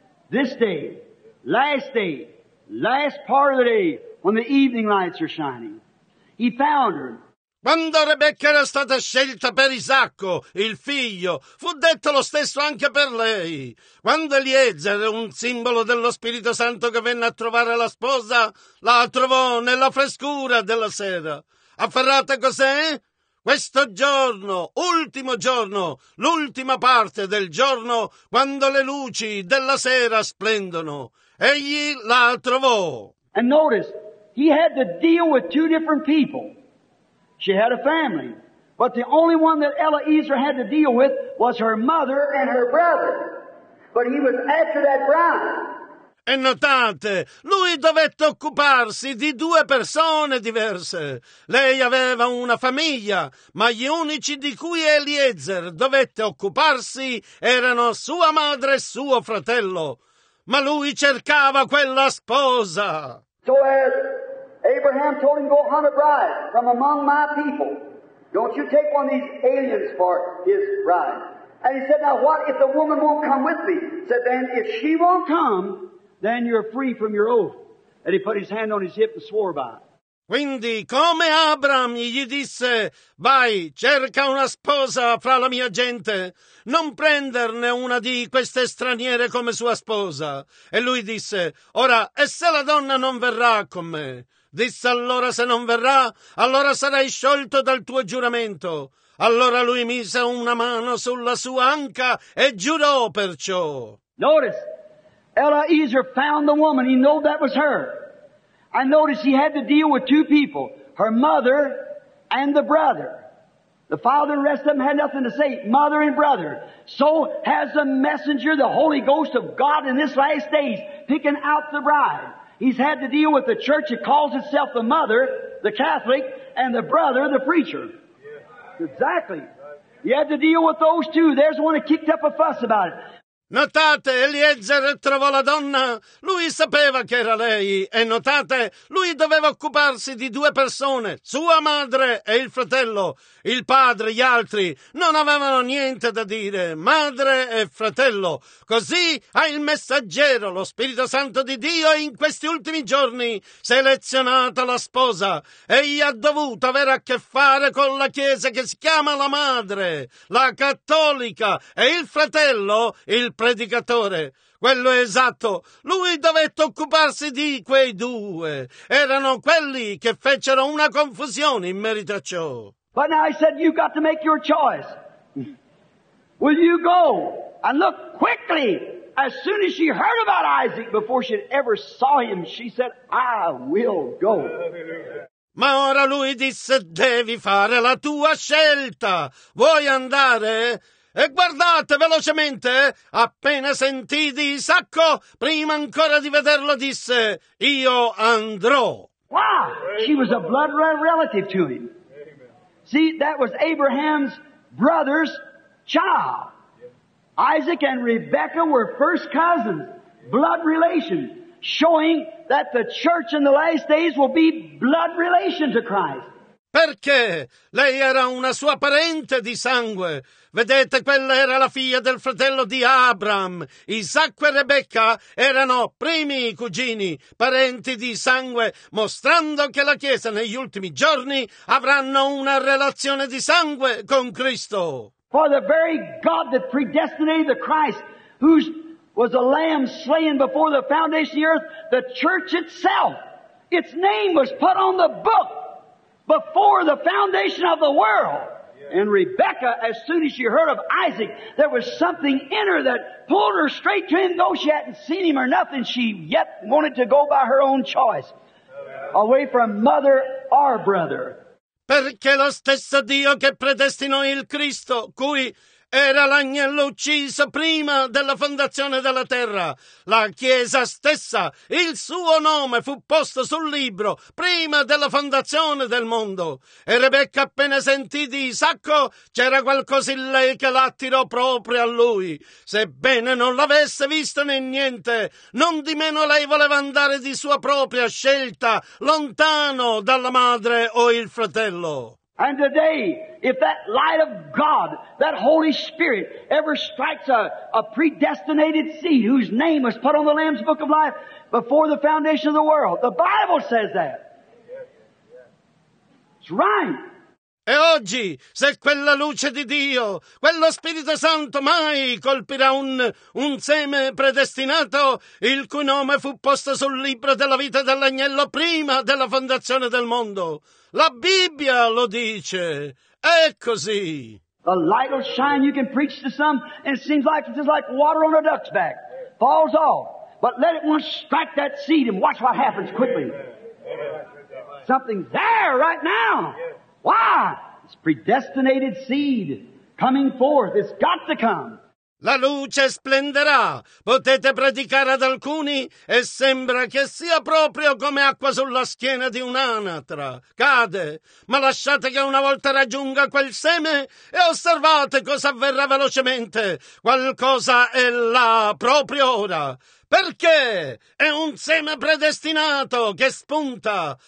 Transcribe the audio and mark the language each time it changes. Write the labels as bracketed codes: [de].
[en] This day, last part of the day, when the evening lights are shining. He found her. [it] Quando Rebecca era stata scelta per Isacco, il figlio, fu detto lo stesso anche per lei. Quando Eliezer, un simbolo dello Spirito Santo che venne a trovare la sposa, la trovò nella frescura della sera. Afferrata cos'è? Questo giorno, ultimo giorno, l'ultima parte del giorno, quando le luci della sera splendono. Egli la trovò. [en] And notice, he had to deal with two different people. She had a family, but the only one that Eliezer had to deal with was her mother and her brother. But he was after that bride. [it] E notate, lui dovette occuparsi di due persone diverse. Lei aveva una famiglia, ma gli unici di cui Eliezer dovette occuparsi erano sua madre e suo fratello. Ma lui cercava quella sposa. [en] Abraham told him, go hunt a bride from among my people. Don't you take one of these aliens for his bride. And he said, now what if the woman won't come with me? He said, then if she won't come, then you're free from your oath. And he put his hand on his hip and swore by it. [it] Quindi, come Abram gli disse, vai, cerca una sposa fra la mia gente, non prenderne una di queste straniere come sua sposa. E lui disse, ora, e se la donna non verrà con me? Disse allora, se non verrà, allora sarai sciolto dal tuo giuramento. Allora lui mise una mano sulla sua anca e giurò perciò. [en] Notice, Eliezer found the woman, he knew that was her. I noticed he had to deal with two people, her mother and the brother. The father and the rest of them had nothing to say, mother and brother. So has the messenger, the Holy Ghost of God in this last days, picking out the bride. He's had to deal with the church that calls itself the mother, the Catholic, and the brother, the preacher. Exactly. He had to deal with those two. There's one that kicked up a fuss about it. [it] Notate, Eliezer trovò la donna, lui sapeva che era lei, e notate, lui doveva occuparsi di due persone, sua madre e il fratello. Il padre, gli altri, non avevano niente da dire, madre e fratello. Così ha il messaggero, lo Spirito Santo di Dio, in questi ultimi giorni selezionata la sposa. Egli ha dovuto avere a che fare con la chiesa che si chiama la madre, la cattolica, e il fratello, il predicatore. Quello è esatto. Lui dovette occuparsi di quei due. Erano quelli che fecero una confusione in merito a ciò. [en] But now he said, you've got to make your choice. Will you go? And look quickly, as soon as she heard about Isaac, before she ever saw him, she said, I will go. [it] Ma ora lui disse, devi fare la tua scelta. Vuoi andare? E guardate velocemente, appena sentì di Isacco, prima ancora di vederlo, disse, io andrò. [en] Wow, she was a blood relative to him. See, that was Abraham's brother's child. Isaac and Rebekah were first cousins, blood relations, showing that the church in the last days will be blood relations to Christ. [it] Perché lei era una sua parente di sangue. Vedete, quella era la figlia del fratello di Abram. Isacco e Rebecca erano primi cugini, parenti di sangue, mostrando che la Chiesa negli ultimi giorni avranno una relazione di sangue con Cristo. [en] For the very God that predestinated the Christ, who was a lamb slain before the foundation of the earth, the church itself, its name was put on the book before the foundation of the world. And Rebecca, as soon as she heard of Isaac, there was something in her that pulled her straight to him, though she hadn't seen him or nothing. She yet wanted to go by her own choice, away from mother our brother. [it] Perché lo stesso Dio che predestinò il Cristo, cui era l'agnello ucciso prima della fondazione della terra, la Chiesa stessa, il suo nome fu posto sul libro prima della fondazione del mondo. E Rebecca appena sentì di Isacco, c'era qualcosa in lei che l'attirò proprio a lui. Sebbene non l'avesse visto né niente, non di meno lei voleva andare di sua propria scelta, lontano dalla madre o il fratello. [en] And today, if that light of God, that Holy Spirit, ever strikes a predestinated seed whose name was put on the Lamb's Book of Life before the foundation of the world, the Bible says that. It's right. [it] E oggi, se quella luce di Dio, quello Spirito Santo mai colpirà un seme predestinato, il cui nome fu posto sul libro della vita dell'agnello prima della fondazione del mondo. La Bibbia lo dice. È così. [en] The light will shine, you can preach to some, and it seems like it's just like water on a duck's back. Falls off. But let it once strike that seed and watch what happens quickly. Something's there right now. Why? It's predestinated seed coming forth. It's got to come. [it] La luce splenderà. Potete predicare ad alcuni e sembra che sia proprio come acqua sulla schiena di un'anatra. Cade. Ma lasciate che una volta raggiunga quel seme e osservate cosa avverrà velocemente. Qualcosa è là proprio ora. Perché è un seme predestinato che spunta.